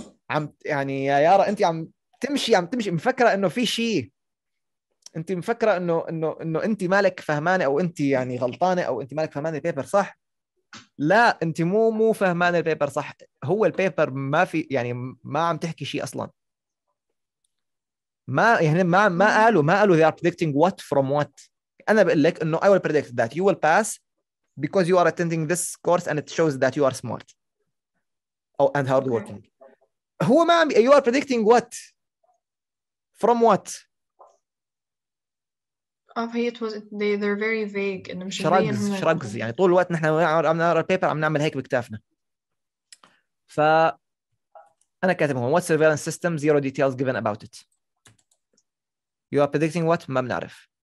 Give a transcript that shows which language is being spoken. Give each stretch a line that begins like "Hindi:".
Arabic: عم يعني يا يارا أنت عم تمشي مفكرة إنه في شيء، أنت مفكرة إنه أنت مالك فهمانة أو أنت يعني غلطانة أو أنت مالك فهمانة البيبر صح؟ لا انت مو فهمان البيبر صح، هو البيبر ما في يعني ما عم تحكي شيء اصلا، ما يعني ما قالوا
English: they are predicting what from what.
Arabic: انا بقول لك انه
English: I will predict that you will pass because you are attending this course and it shows that you are smart or and hard working.
Arabic: هو ما عم
English: you are predicting what from what. They're very vague and
Arabic: shrugs يعني طول الوقت نحن عم نقرأ البيبر عم نعمل هيك بكتافنا. ف انا كاتبهم
English: what surveillance system zero details given about it you are predicting what
Arabic: ما بنعرف